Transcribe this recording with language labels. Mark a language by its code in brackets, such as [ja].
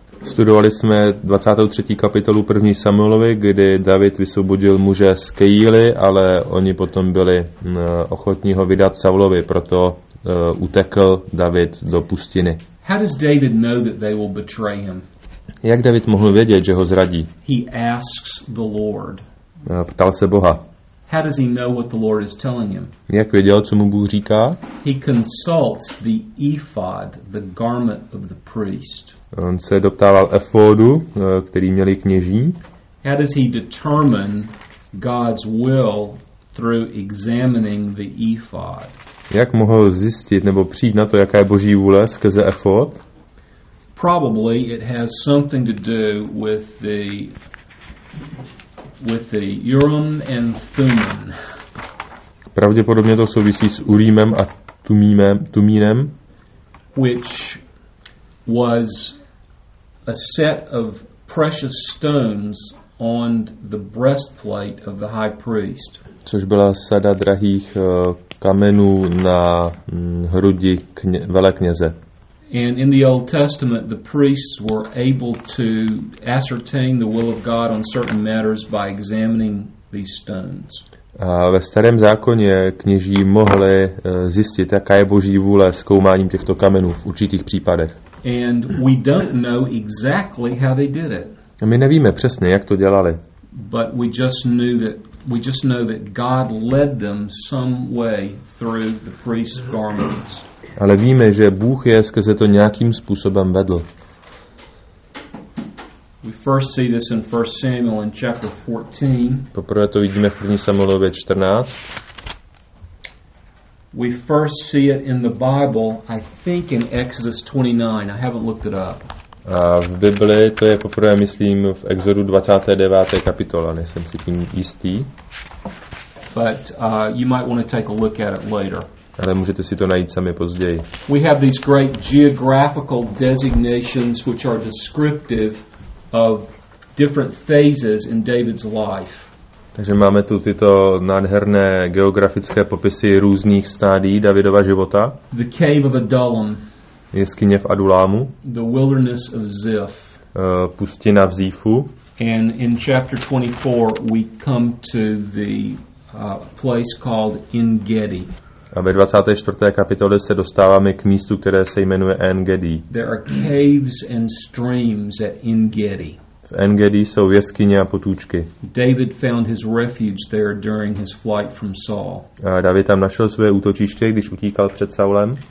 [cs] Studovali jsme 23. kapitolu 1. Samuelovi, kdy David vysvobodil muže z Keily, ale oni potom byli ochotní ho vydat Saulovi, proto utekl David do pustiny. [en] How does David know that they will betray him? [cs] Jak David mohl vědět, že ho zradí? [en] He asks the Lord. [cs] Ptal se Boha. [en] How does he know what the Lord is telling him? [cs] Jak věděl, co mu Bůh říká? [en] He consults the ephod, the garment of the priest. [cs] On se doptával efodu, který měli kněží. [en] How does he determine God's will through examining the ephod? [cs] Jak mohl zjistit nebo přijít na to, jaká je Boží vůle skrze efod? [en] Probably it has something to do with the Urim and Thummim. [cs] Pravděpodobně to souvisí s Urimem a Tumimem, [en] which was a set of precious stones on the breastplate of the high priest. [cs] Což byla sada drahých kamenů na hrudi velekněze. [en] And in the Old Testament, the priests were able to ascertain the will of God on certain matters by examining these stones. [cs] A ve starém zákoně kněží mohli zjistit, jaká je Boží vůle zkoumáním těchto kamenů v určitých případech. [en] And we don't know exactly how they did it. [cs] A my nevíme přesně, jak to dělali. [en] But we just know that God led them some way through the priest's garments. [cs] Ale víme, že Bůh je skrze to nějakým způsobem vedl. [en] We first see this in 1 Samuel in chapter 14. [cs] Poprvé to vidíme v 1. Samuelově 14. [en] We first see it in the Bible, I think in Exodus 29. I haven't looked it up. [cs] A v Bibli to je poprvé, myslím, v Exodu 29. kapitole, nejsem si tím jistý. [en] But you might want to take a look at it later. [cs] Ale můžete si to najít sami později. [en] We have these great geographical designations which are descriptive of different phases in David's life. [cs] Takže máme tu tyto nádherné geografické popisy různých stádií Davidova života. [en] The cave of Adullam. [cs] Jeskyně v Adulámu. [en] The wilderness of Ziph. [cs] Pustina v Zífu. [en] And in chapter 24 we come to the place called En-Gedi. [cs] A ve 24. kapitole se dostáváme k místu, které se jmenuje En-Gedi. [en] There are caves and streams at En-Gedi. [cs] V En-Gedi jsou jeskyně a potůčky. [en] David found his refuge there during his flight from Saul. [cs] A David tam našel své útočiště, když utíkal před Saulem.